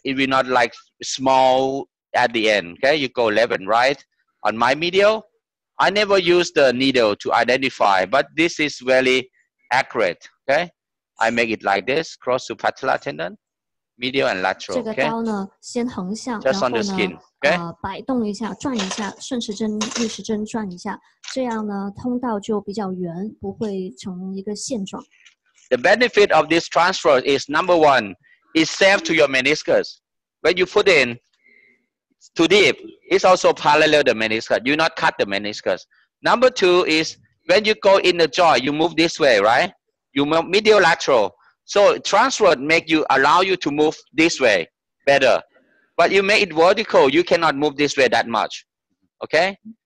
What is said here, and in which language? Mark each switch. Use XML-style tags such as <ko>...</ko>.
<en>It will not like small at the end, okay? You go left and right. On my medial, I never use the needle to identify, but this is really accurate, okay? I make it like this, cross to patella tendon. Medial and lateral, okay?</en> <zh>这个刀呢，先横向，</zh> <en>Just on the skin, okay?</en> <zh>摆动一下，转一下，顺时针、逆时针转一下，这样呢，通道就比较圆，不会成一个线状。</zh> <en>The benefit of this transfer is number one, it's safe to your meniscus. When you put in too deep, it's also parallel the meniscus. You not cut the meniscus. Number two is when you go in the joint, you move this way, right? You move medial lateral. So transverse make you allow you to move this way better, but you make it vertical, you cannot move this way that much, okay?</en>